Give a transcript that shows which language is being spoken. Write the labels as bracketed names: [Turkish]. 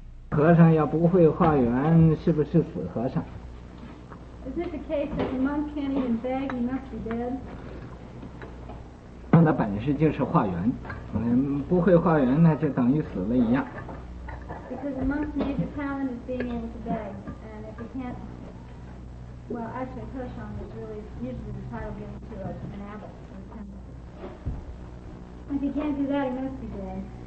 [Chinese] 和尚要不会化缘是不是死和尚？ [English] Is it the case that the monk can't even beg? He must be dead. [Chinese] 他的本事就是化缘，不会化缘那就等于死了一样。 [English] Because the monk's major talent is being able to beg, and if he can't, well, actually, 和尚 is really usually the title given to an abbot. If he can't do that, he must be dead.